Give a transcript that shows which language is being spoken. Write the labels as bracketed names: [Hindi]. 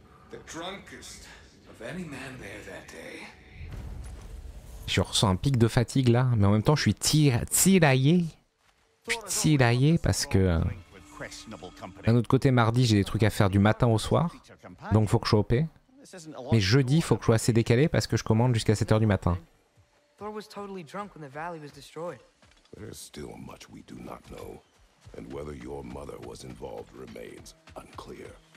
[English] The drunkest of any man there that day. [French] Je ressens un pic de fatigue là, mais en même temps, je suis tiraillé. Je suis tiraillé parce que d'un autre côté, mardi, j'ai des trucs à faire du matin au soir, donc faut que je sois OP. Mais jeudi, faut que je sois assez décalé parce que je commande jusqu'à 7h du matin. [English] Thor was totally drunk when the valley was destroyed. There's still much we do not know, and whether your mother was involved remains unclear.